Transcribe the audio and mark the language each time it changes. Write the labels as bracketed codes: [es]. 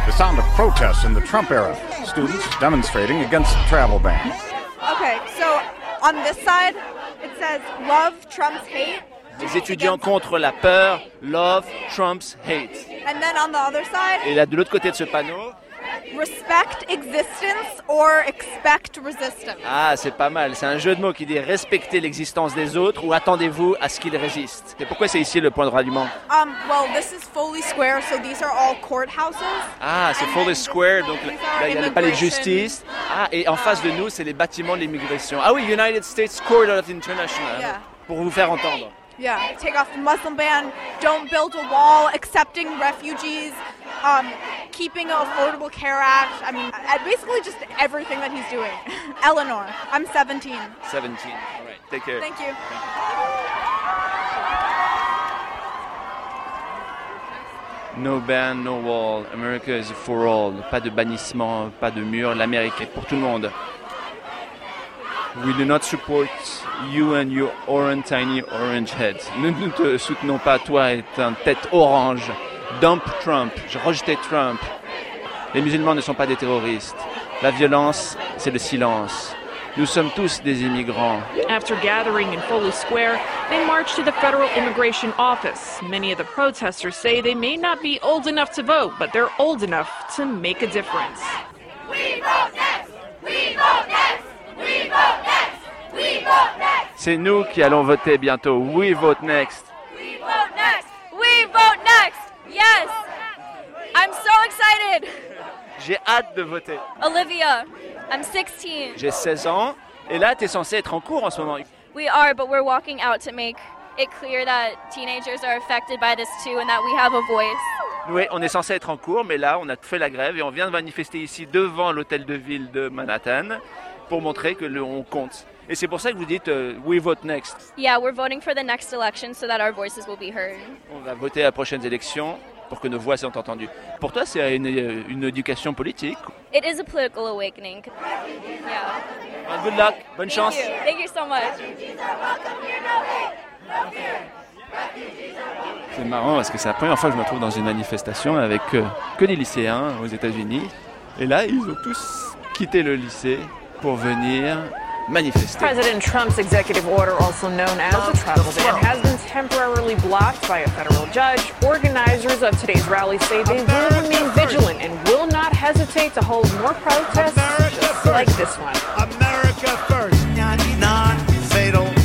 [en] The sound of protests in the Trump era, students demonstrating against the travel ban. Okay, so on this side it says love Trump's hate. [fr] Les étudiants contre la peur, [en] love Trump's hate. And then on the other side. [fr] Et là de l'autre côté de ce panneau. [en] Respect existence or expect resistance. [fr] Ah, c'est pas mal. C'est un jeu de mots qui dit respecter l'existence des autres ou attendez-vous à ce qu'ils résistent. Et pourquoi c'est ici le point de ralliement? [en] Well, this is Foley Square, so these are all courthouses. [fr] Ah, c'est Foley Square, donc là, il y a le palais de justice. Ah, et en face de nous, c'est les bâtiments de l'immigration. Ah oui, [en] United States Court of International, [fr] pour vous faire entendre. [en] Yeah, take off the Muslim ban, don't build a wall, accepting refugees, keeping an Affordable Care Act, I mean, basically just everything that he's doing. Eleanor, I'm 17. 17, all right, take care. Thank you. No ban, no wall, America is for all. [fr] Pas de bannissement, pas de mur, l'Amérique est pour tout le monde. [en] We do not support you and your orange tiny orange head. [fr] Nous ne te soutenons pas, toi et ta tête orange. [en] Dump Trump. [fr] Je rejetais Trump. Les musulmans ne sont pas des terroristes. La violence, c'est le silence. Nous sommes tous des immigrants. [en] After gathering in Foley Square, they marched to the Federal Immigration Office. Many of the protesters say they may not be old enough to vote, but they're old enough to make a difference. We vote next! We vote next! We vote next! We vote next! [fr] C'est nous qui allons voter bientôt. [en] We vote next! We vote next! We vote next! Yes! I'm so excited! [fr] J'ai hâte de voter. [en] Olivia, I'm 16. [fr] J'ai 16 ans. Et là, t'es censée être en cours en ce moment. [en] We are, but we're walking out to make it clear that teenagers are affected by this too and that we have a voice. [fr] Oui, on est censé être en cours, mais là, on a fait la grève et on vient de manifester ici devant l'hôtel de ville de Manhattan. Pour montrer que on compte. Et c'est pour ça que vous dites [en] we vote next. Yeah, we're voting for the next election so that our voices will be heard. [fr] On va voter à la prochaine élection pour que nos voix soient entendues. Pour toi, c'est une éducation politique. [en] It is a political awakening. Yeah. Well, good luck. [fr] Bonne [en] Thank [fr] chance. [en] You. Thank you so much. Refugees are welcome here, no hate. No fear. Refugees are welcome. [fr] C'est marrant parce que c'est la première fois que je me retrouve dans une manifestation avec que des lycéens aux États-Unis. Et là, ils ont tous quitté le lycée pour venir manifester. [en] President Trump's executive order, also known as the travel ban, has been temporarily blocked by a federal judge. Organizers of today's rally say they will remain vigilant and will not hesitate to hold more protests just like this one. America first. Non-fatal.